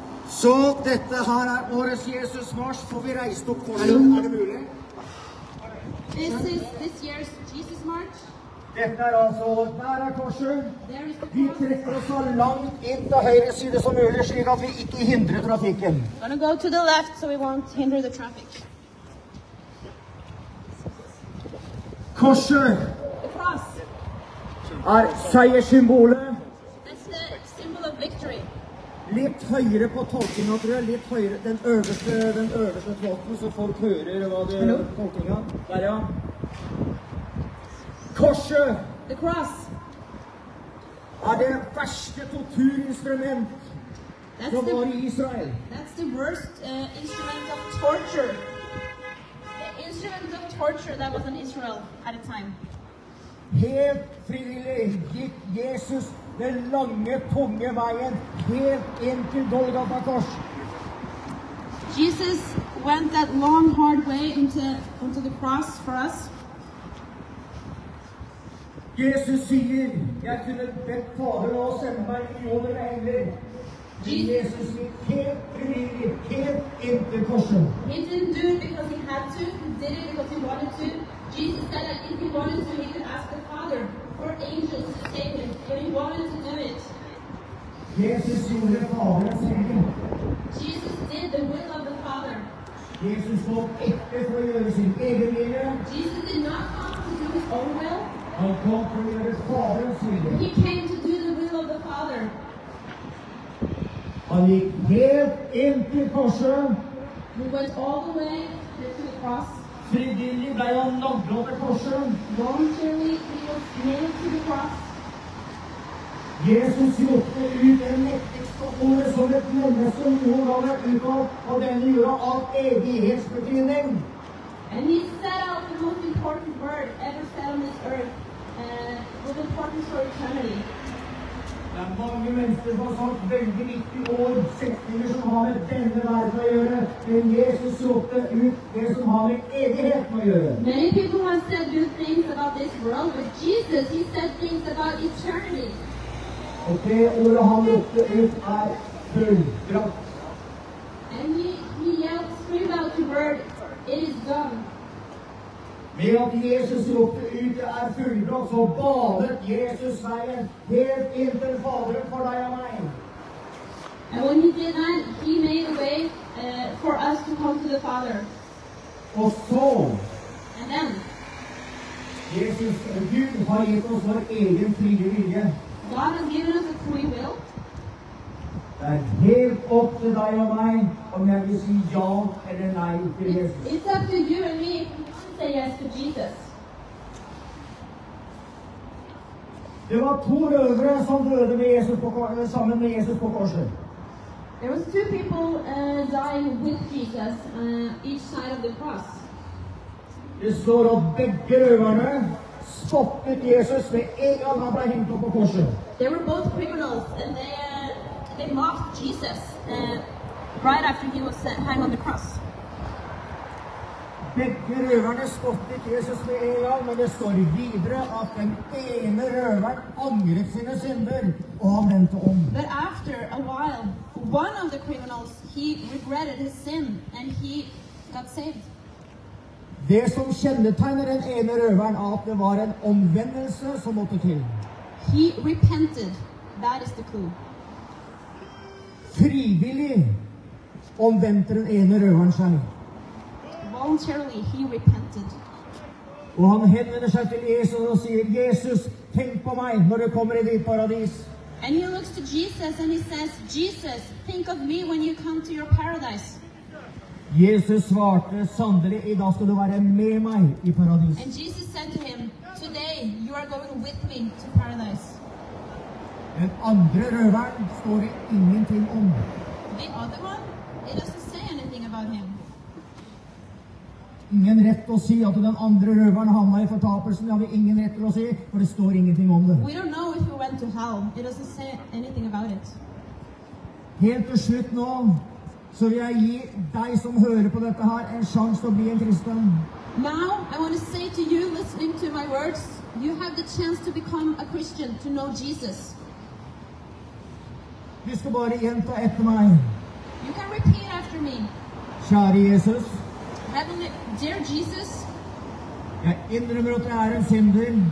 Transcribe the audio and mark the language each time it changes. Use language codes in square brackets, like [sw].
[no] Så dette her er årets Jesusmars, får vi reise opp korset, er det mulig? [en] This is this year's Jesusmars. [no] Dette er altså, der er korset. Vi trekker oss så langt inn til høyre side som mulig, slik at vi ikke hindrer trafikken. [en] We're gonna go to the left, so we won't hinder the traffic. [no] Korset [en] the cross. [no] Er seierssymbolet. [en] That's the symbol of victory. [no] Litt høyere på tolkingen, tror jeg. Litt høyere, den øverste tolken, så folk hører hva det er tolkingen. Der, ja. Korset! [en] The cross! [no] Er det verste torturinstrument som var i Israel? [en] That's the worst instrument of torture. The instrument of torture that was in Israel at a time. [no] Helt frivillig gikk Jesus den lange, tunge veien helt inn til Golgata kors. [en] Jesus went that long, hard way into the cross for us. [no] Jesus sier, jeg kunne bedt Fader å sende meg i over engler. Jesus gikk helt frivillig, helt inn til korset. [en] He didn't do it because he had to, he did it because he wanted to. Jesus said that if he wanted to, he could ask the Father for angels to save him, but he wanted to do it. [no] Jesus gjorde Faderens vilje. [en] Jesus did the will of the Father. [no] Jesus kom ikke for å gjøre sin egen vilje. [en] Jesus did not come to do his own will. [no] Han kom for å gjøre Faderens vilje. [en] He came to do the will of the Father. [no] Han gikk helt inn til korset. [en] He went all the way to the cross. [no] Frivillig ble han naglet til korset. [en] Voluntarily, he was nailed to the cross. [no] Jesus gjorde ut det mektigste ordet som et menneske noen gang er ut av, og den gjorde alt evighetsbetydning. [en] And he set out the most important word ever said on this earth, with importance for eternity. [no] Det er mange mennesker som har sagt veldig viktig ord, setninger som har med denne verden å gjøre, men Jesus ropte ut det som har med evigheten å gjøre. [en] Many people have said good things about this world, but Jesus, he said things about eternity. [no] Og det ordet han ropte ut er fullbrakt. [en] And he yelled, scream out to bird, it is done. [no] Med at Jesus ropte ut det er fullbrakt, så badet Jesus veien helt inn til Faderen for deg og meg. [en] And when he did that, he made a way for us to come to the Father. [no] Og så, [en] and then, [no] Jesus, Gud har gitt oss vår egen frie vilje. [en] God has given us a free will. [no] Det er helt opp til deg og meg om jeg vil si ja eller nei til Jesus. [en] It's up to you and me if we want to say yes to Jesus. [no] Det var to røvere som døde med Jesus på, sammen med Jesus på korset. [en] There was two people dying with Jesus each side of the cross. [no] Det står at begge røverne spottet Jesus med en gang han ble hengt opp på korset. [en] They were both criminals and they mocked Jesus right after he was hanged on the cross. [no] Begge røverne spottet Jesus med en gang, men det står videre at den ene røveren angret sine synder og han vendte om. [en] But after a while, one of the criminals, he regretted his sin and he got saved. [no] Det som kjennetegner den ene røveren er at det var en omvendelse som måtte til. [en] He repented. That is the clue. [no] Frivillig omvendte den ene røveren seg. [en] Voluntarily he repented. [no] Og han henvender seg til Jesus og sier, Jesus, tenk på meg når du kommer i ditt paradis. [en] And he looks to Jesus and he says, Jesus, think of me when you come to your paradise. [no] Jesus svarte, sannelig, i dag skal du være med meg i paradis. [en] And Jesus said to him, today you are going with me to paradise. [no] Den andre røveren står det ingenting om. [en] The other one, it doesn't say anything about him. [no] Ingen rett å si at den andre røveren havna i fortapelsen, det har vi ingen rett til å si, for det står ingenting om det. [en] We don't know if he went to hell, it doesn't say anything about it. [no] Helt til slutt nå, så vil jeg gi deg som hører på dette her en sjanse til å bli en kristen. [en] Now, I want to say to you, listening to my words, you have the chance to become a Christian, to know Jesus. [no] Du skal bare gjenta etter meg. [en] You can repeat after me. [no] Kjære Jesus. [en] Heavenly, dear Jesus. [no] Jeg innrømmer at jeg er en synder.